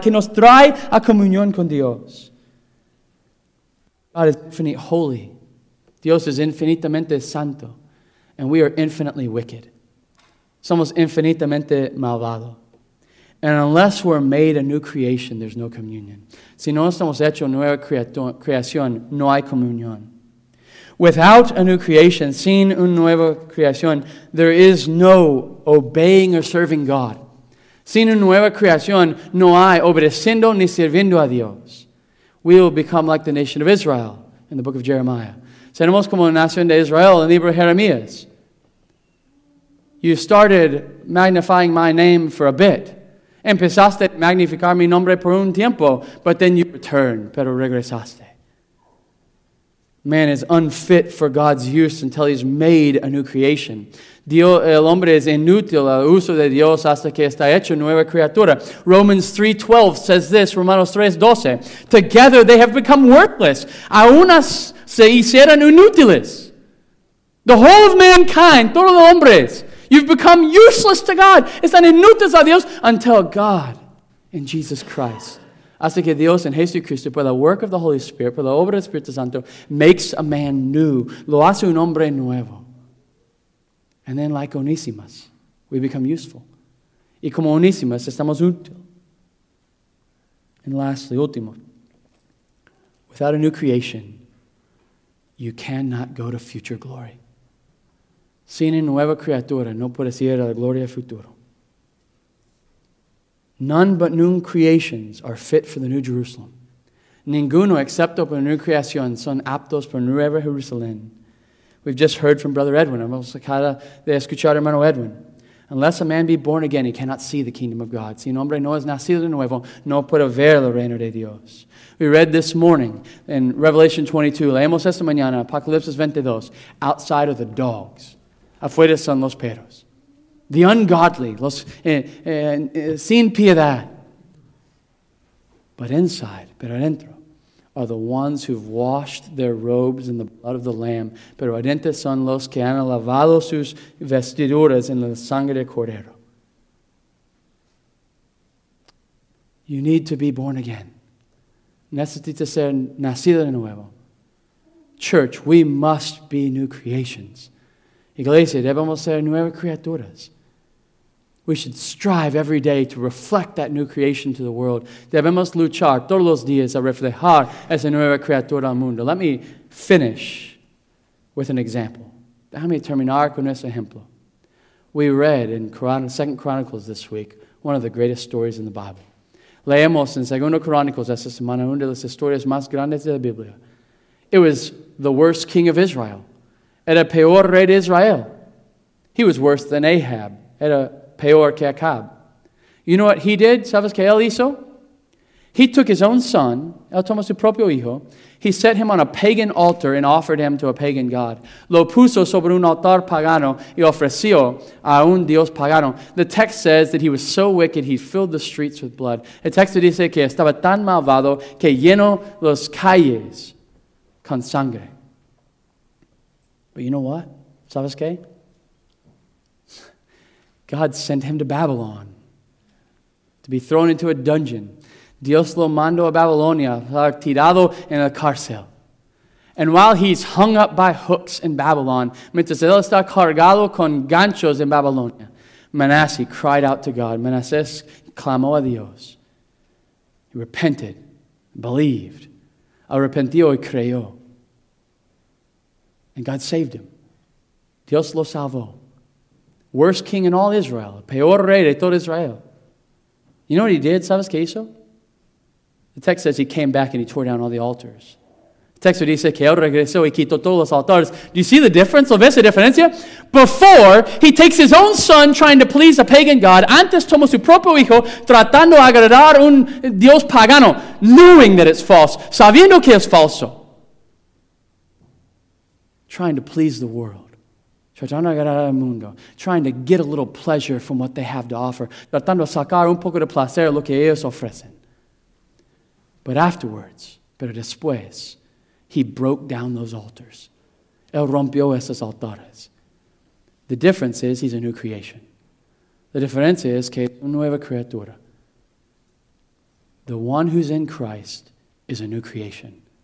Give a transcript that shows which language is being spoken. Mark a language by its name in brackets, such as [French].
[Spanish] Que nos trae a comunión con Dios. [English] God is infinite holy. [Spanish] Dios es infinitamente santo. [English] And we are infinitely wicked. [Spanish] Somos infinitamente malvado. [English] And unless we're made a new creation, there's no communion. [Spanish] Si no estamos hecho nueva creación, no hay comunión. [English] Without a new creation, [Spanish] sin una nueva creación, [English] there is no obeying or serving God. [Spanish] Sin una nueva creación, no hay obedeciendo ni sirviendo a Dios. [English] We will become like the nation of Israel in the book of Jeremiah. [Spanish] Seremos como la nación de Israel en el libro de Jeremías. [English] You started magnifying my name for a bit. [Spanish] Empezaste a magnificar mi nombre por un tiempo, [English] but then you returned, [Spanish] pero regresaste. [English] Man is unfit for God's use until he's made a new creation. [Spanish] Dios, el hombre es inútil al uso de Dios hasta que está hecho nueva criatura. [English] Romans 3:12 says this, Romanos 3:12. Together they have become worthless. [Spanish] Aún se hicieron inútiles. [English] The whole of mankind, [Spanish] todos los hombres, [English] you've become useless to God. [Spanish] Están inútiles a Dios [English] until God in Jesus Christ. [Spanish] Hasta que Dios en Jesucristo, por la [English] work of the Holy Spirit, [Spanish] por la obra del Espíritu Santo, [English] makes a man new. [Spanish] Lo hace un hombre nuevo. [English] And then like Onesimus, we become useful. [Spanish] Y como Onesimus, estamos útil. [English] And lastly, [Spanish] último. [English] Without a new creation, you cannot go to future glory. [Spanish] Sin una nueva criatura, no puedes ir a la gloria futuro. [English] None but new creations are fit for the new Jerusalem. [Spanish] Ninguno, excepto por new creación, son aptos por nueva Jerusalén. [English] We've just heard from Brother Edwin. [Spanish] Hemos acabado de escuchar hermano Edwin. [English] Unless a man be born again, he cannot see the kingdom of God. [Spanish] Si un hombre no es nacido de nuevo, no puede ver el reino de Dios. [English] We read this morning in Revelation 22. [Spanish] Leemos esta mañana, Apocalipsis 22. [English] Outside of the dogs. [Spanish] Afuera son los perros. [English] The ungodly, [Spanish] los sin piedad. [English] But inside, [Spanish] pero adentro, [English] are the ones who've washed their robes in the blood of the Lamb. [Spanish] Pero adentro son los que han lavado sus vestiduras en la sangre del Cordero. [English] You need to be born again. [Spanish] Necesitas ser nacido de nuevo. [English] Church, we must be new creations. [Spanish] Iglesia, debemos ser nuevas criaturas. [English] We should strive every day to reflect that new creation to the world. [Spanish] Debemos luchar todos los días a reflejar esa nueva criatura al mundo. [English] Let me finish with an example. [Spanish] Déjame terminar con ese ejemplo. [English] We read in 2 Chronicles this week one of the greatest stories in the Bible. [Spanish] Leemos en 2 Chronicles esta semana una de las historias más grandes de la Biblia. [English] It was the worst king of Israel. [Spanish] Era peor rey de Israel. [English] He was worse than Ahab. [Spanish] Era peor que Acab. [English] You know what he did? [Spanish] ¿Sabes qué él hizo? [English] He took his own son, [Spanish] él tomó su propio hijo, [English] he set him on a pagan altar and offered him to a pagan god. [Spanish] Lo puso sobre un altar pagano y ofreció a un dios pagano. [English] The text says that he was so wicked he filled the streets with blood. [Spanish] El texto dice que estaba tan malvado que llenó las calles con sangre. [English] But you know what? [Spanish] ¿Sabes qué? [English] God sent him to Babylon to be thrown into a dungeon. [Spanish] Dios lo mandó a Babilonia, tirado en la cárcel. [English] And while he's hung up by hooks in Babylon, [Spanish] mientras él está cargado con ganchos en Babilonia, [English] Manasseh cried out to God. [Spanish] Manasseh clamó a Dios. [English] He repented, believed. [Spanish] Arrepentió y creyó. [English] And God saved him. [Spanish] Dios lo salvó. [English] Worst king in all Israel. [Spanish] Peor rey de todo Israel. [English] You know what he did? [Spanish] ¿Sabes qué hizo? [English] The text says he came back and he tore down all the altars. [Spanish] texto dice que él regresó y quitó todos los altares. [English] Do you see the difference? [Spanish] ¿Lo ves la diferencia? [English] Before, he takes his own son trying to please a pagan god. [Spanish] Antes tomó su propio hijo tratando de agradar un dios pagano, [English] knowing that it's false, [Spanish] sabiendo que es falso. [English] Trying to please the world. [Spanish] Tratando de agradar al mundo. [English] Trying to get a little pleasure from what they have to offer. [Spanish] Tratando de sacar un poco de placer lo que ellos ofrecen. [English] But afterwards, [Spanish] pero después, [English] he broke down those altars. [Spanish] Él rompió esos altares. [English] The difference is he's a new creation. [Spanish] La diferencia es que es una nueva criatura. [English] The one who's in Christ is a new creation.